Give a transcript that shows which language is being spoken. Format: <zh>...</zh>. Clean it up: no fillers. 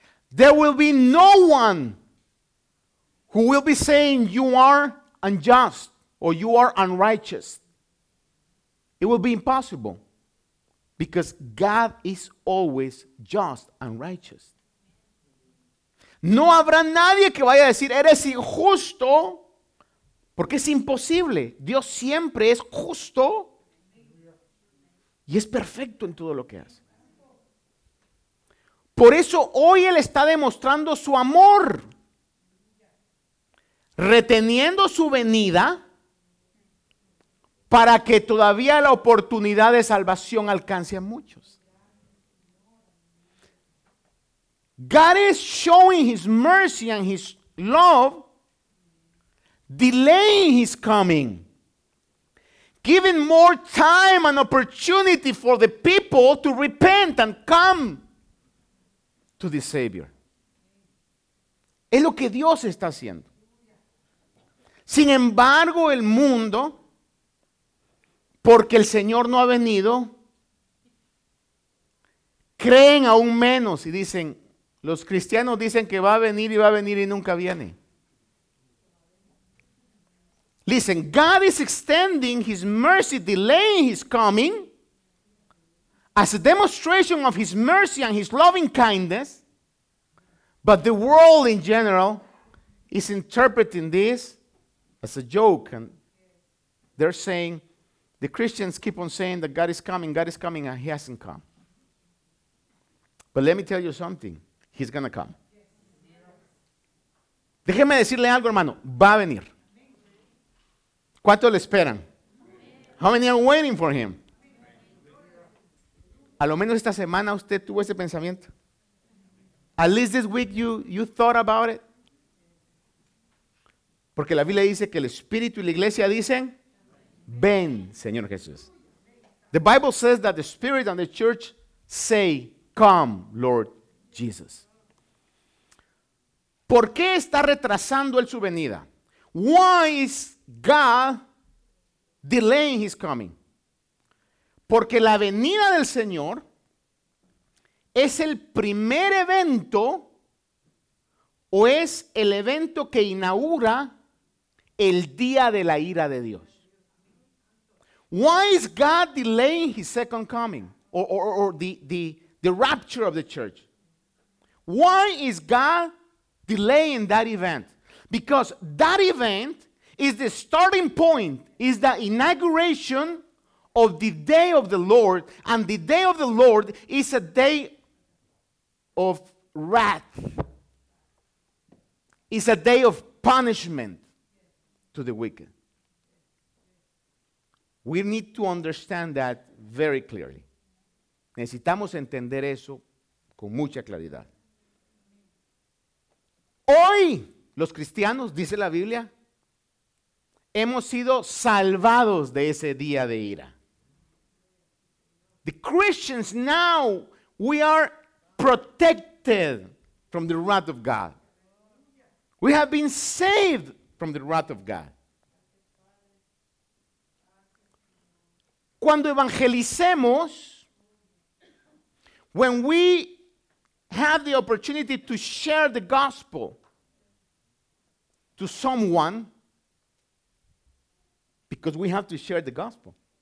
<en>There will be no one who will be saying, you are unjust or you are unrighteous. It will be impossible because God is always just and righteous.</en> <es>No habrá nadie que vaya a decir, eres injusto, porque es imposible. Dios siempre es justo y es perfecto en todo lo que hace. Por eso hoy Él está demostrando su amor, reteniendo su venida para que todavía la oportunidad de salvación alcance a muchos.</es> <en>God is showing His mercy and His love, delaying His coming, giving more time and opportunity for the people to repent and come to the Savior.</en> <es>Es lo que Dios está haciendo. Sin embargo, el mundo, porque el Señor no ha venido, creen aún menos y dicen, los cristianos dicen que va a venir y va a venir y nunca viene.</es> <en>Listen, God is extending His mercy, delaying His coming, as a demonstration of His mercy and His loving kindness, but the world in general is interpreting this as a joke, and they're saying, the Christians keep on saying that God is coming, and He hasn't come. But let me tell you something, He's going to come.</en> <es>Déjeme decirle algo, hermano, va a venir. ¿Cuánto le esperan?</es> <en>How many are waiting for Him?</en> <es>A lo menos esta semana usted tuvo ese pensamiento.</es> <en>At least this week you thought about it.</en> <es>Porque la Biblia dice que el Espíritu y la Iglesia dicen, ven, Señor Jesús.</es> <en>The Bible says that the Spirit and the Church say, come, Lord Jesus.</en> <es>¿Por qué está retrasando Él su venida?</es> <en>Why is God delaying His coming?</en> <es>Porque la venida del Señor es el primer evento o es el evento que inaugura el día de la ira de Dios.</es> <en>Why is God delaying His second coming or the rapture of the church? Why is God delaying that event? Because that event is the starting point, is the inauguration of the day of the Lord, and the day of the Lord is a day of wrath. It's a day of punishment to the wicked. We need to understand that very clearly.</en> <es>Necesitamos entender eso con mucha claridad. Hoy, los cristianos, dice la Biblia, hemos sido salvados de ese día de ira.</es> <en>The Christians now, we are protected from the wrath of God. We have been saved from the wrath of God.</en> <es>Cuando evangelicemos,</es> <en>when we have the opportunity to share the gospel to someone, because we have to share the gospel.</en>